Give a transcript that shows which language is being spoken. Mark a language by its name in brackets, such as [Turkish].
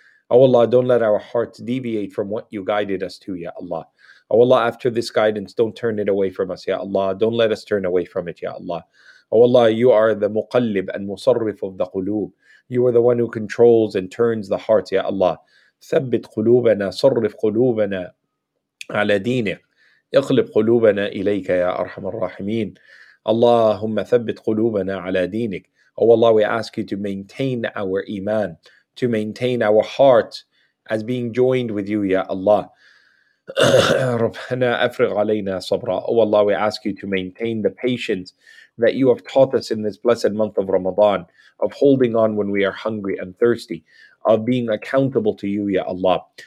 [English] Oh Allah, don't let our hearts deviate from what you guided us to, Ya Allah. Oh Allah, after this guidance, don't turn it away from us, Ya Allah. Don't let us turn away from it, Ya Allah. Oh Allah, you are the مُقَلِّب and مُصَرِّف of the قُلُوب. You are the one who controls and turns the hearts, Ya Allah. [Arabic] ثَبِّتْ قُلُوبَنَا صَرِّفْ قُلُوبَنَا عَلَى دِينِكَ. اقلب قلوبنا إليك يا أرحم الراحمين. اللهم ثبت قلوبنا على دينك. [English] Oh Allah, we ask you to maintain our iman, to maintain our heart as being joined with you, Ya Allah. [Arabic] ربنا أفرغ علينا صبرا. [English] Oh Allah, we ask you to maintain the patience that you have taught us in this blessed month of Ramadan, of holding on when we are hungry and thirsty, of being accountable to you, Ya Allah.